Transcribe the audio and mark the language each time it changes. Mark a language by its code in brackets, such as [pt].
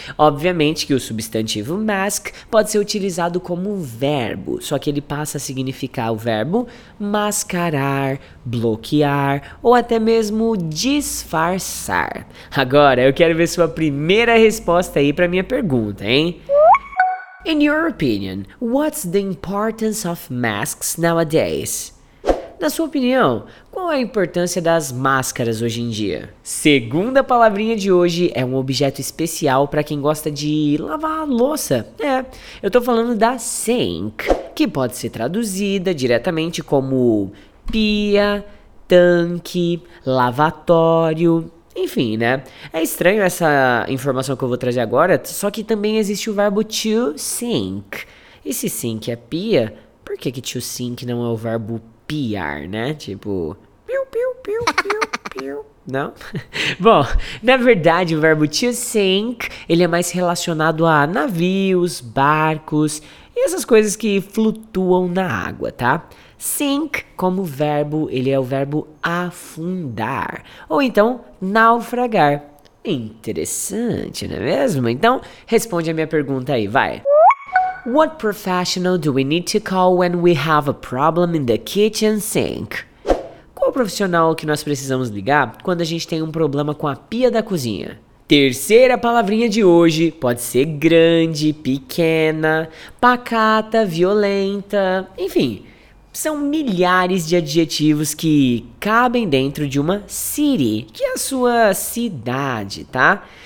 [pt] Obviamente que o substantivo mask pode ser utilizado como verbo, só que ele passa a significar o verbo mascarar, bloquear ou até mesmo disfarçar. Agora, eu quero ver sua primeira resposta aí para minha pergunta, hein? [en] In your opinion, what's the importance of masks nowadays? [pt] Na sua opinião, qual é a importância das máscaras hoje em dia? Segunda palavrinha de hoje é um objeto especial para quem gosta de lavar a louça. É, eu tô falando da sink, que pode ser traduzida diretamente como pia, tanque, lavatório. Enfim, né? É estranho essa informação que eu vou trazer agora, só que também existe o verbo to sink. E se sink é pia, por que que to sink não é o verbo piar, né? Tipo, piu, piu, piu, piu, piu, Não? Bom, na verdade, o verbo to sink, ele é mais relacionado a navios, barcos e essas coisas que flutuam na água, tá? Sink, como verbo, ele é o verbo afundar, ou então naufragar. Interessante, não é mesmo? Então, responde a minha pergunta aí, vai. [en] What professional do we need to call when we have a problem in the kitchen sink? [pt] Qual profissional que nós precisamos ligar quando a gente tem um problema com a pia da cozinha? Terceira palavrinha de hoje. Pode ser grande, pequena, pacata, violenta, enfim. São milhares de adjetivos que cabem dentro de uma city, que é a sua cidade, tá?